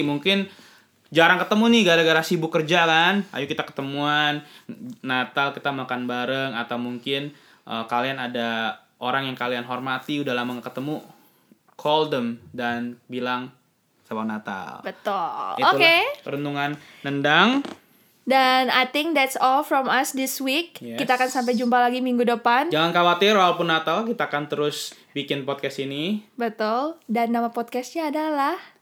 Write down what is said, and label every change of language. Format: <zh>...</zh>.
<id>Mungkin jarang ketemu nih, gara-gara sibuk kerja kan. Ayo kita ketemuan, Natal kita makan bareng, atau mungkin kalian ada orang yang kalian hormati, udah lama gak ketemu,</id> <en>call them,</en> <id>dan bilang, selamat Natal. Betul. Oke. Okay. Renungan nendang.</id> <en>Dan I think that's all from us this week. Yes.</en> <id>Kita akan sampai jumpa lagi minggu depan. Jangan khawatir, walaupun Natal, kita akan terus bikin podcast ini. Betul. Dan nama podcastnya adalah</id>